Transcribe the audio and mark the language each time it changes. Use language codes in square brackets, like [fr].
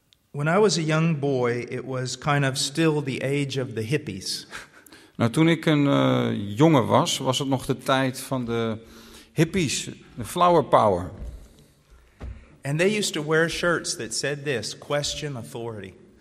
[en] When I was a young boy, it was kind of still the age of the hippies. [nl] Nou, toen ik een jongen was, was het nog de tijd van de hippies, de flower power. [en] And they used to wear shirts that said this, question authority.